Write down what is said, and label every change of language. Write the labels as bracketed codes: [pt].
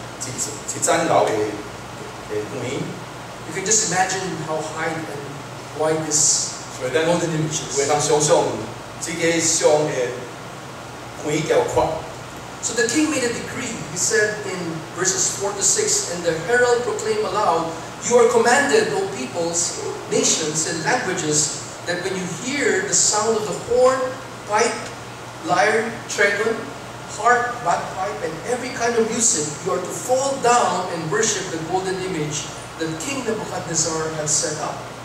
[nan] 6层差不多是九尺，就是一层楼的面. [en] You can just imagine how high and wide this golden image is. [nan] 所以咱想象这个像的面够宽. [en] So the king made a decree. He said in verses 4 to 6, and the herald proclaimed aloud, you are commanded, O peoples, nations, and languages, that when you hear the sound of the horn, pipe, lyre, trumpet, harp, bagpipe, and every kind of music, you are to fall down and worship the golden image that King Nebuchadnezzar has set up.